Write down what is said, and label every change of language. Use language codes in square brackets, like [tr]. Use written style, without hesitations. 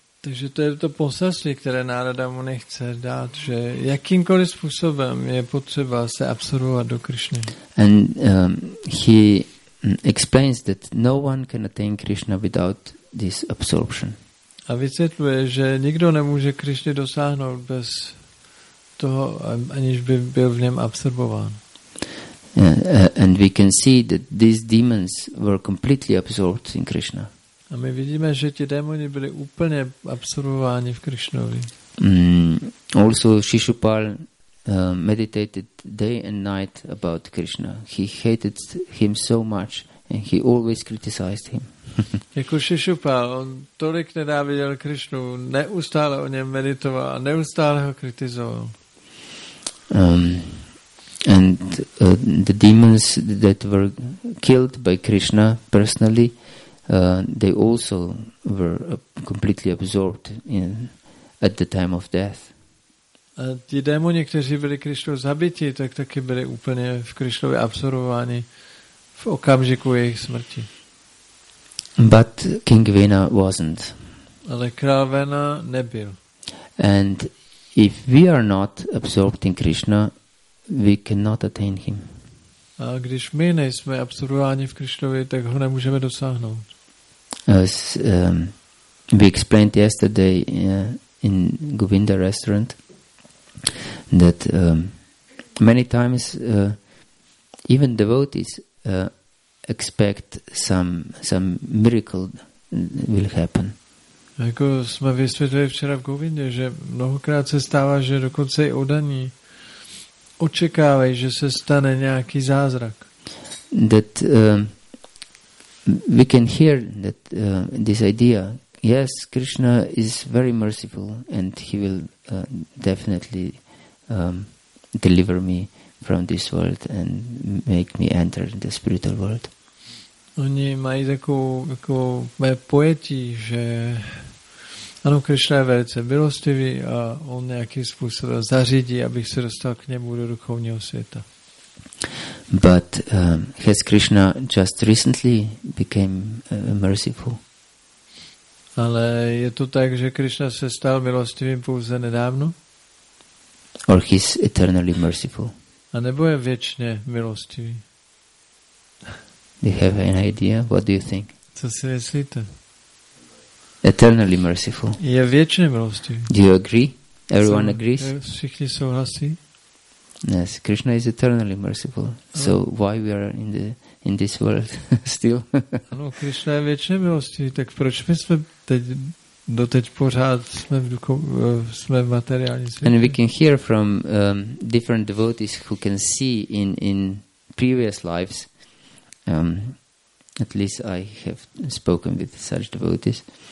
[cs] Takže to je to poselství, které Narada Muni chce dát, že jakýmkoliv způsobem je potřeba se absorbovat do Krishny. [en] And he explains that no one can attain Krishna without this absorption. [cs] A vysvětluje, že nikdo nemůže Krishny dosáhnout bez toho, aniž by byl v něm absorbován. [en] And we can see that these demons were completely absorbed in Krishna. [cs] A my vidíme, že ti démoni byli úplně absorbováni v Krišnovi. [en] Also Shishupal meditated day and night about Krishna. He hated him so much and he always criticized him. [cs] Jako Shishupal, on tolik nenáviděl Krišnu, neustále o něm meditoval a neustále ho kritizoval. [en] The demons that were killed by Krishna personally, they also were completely absorbed in at the time of death. [cs] A ti démoni, kteří byli Krišnou zabiti, tak taky byli úplně v Krišnově absorbováni v okamžiku jejich smrti. [en] But King Vena wasn't. [cs] Ale král Vena nebyl. [en] And if we are not absorbed in Krishna, we cannot attain him. [cs] A když my nejsme absorbováni v Krišnově, tak ho nemůžeme dosáhnout. [en] As we explained yesterday in Govinda restaurant, that many times even devotees expect some miracle will happen. [cs] Jako jsme vysvětlili včera v Govindě, že mnohokrát se stává, že dokonce i oddaní očekávají, že se stane nějaký zázrak. [en] That we can hear that this idea. Yes, Krishna is very merciful and he will definitely deliver me from this world and make me enter the spiritual world. [cs] Oni mají takové pojetí, že ano, Krishna je velice milostivý a on nějaký způsob zařídí, abych se dostal k němu do duchovního světa. [en] But has Krishna just recently became merciful? [cs] Ale je to tak, že Krishna se stal milostivým pouze nedávno? [en] Or he's eternally merciful? [cs] A nebo je věčně milostivý? [en] Do you have an idea? What do you think? [cs] Co si myslíte? [en] Eternally merciful. [cs] Je věčně milostivý. [en] Do you agree? Everyone agrees? [cs] Všichni souhlasí? [en] Yes, Krishna is eternally merciful. So why we are in this world still? [cs] Ano, Krishna je věčně milostivý, tak proč my jsme teď doteď pořád jsme v materiální světě? [en] And we can hear from different devotees who can see in previous lives. At least I have spoken with such devotees.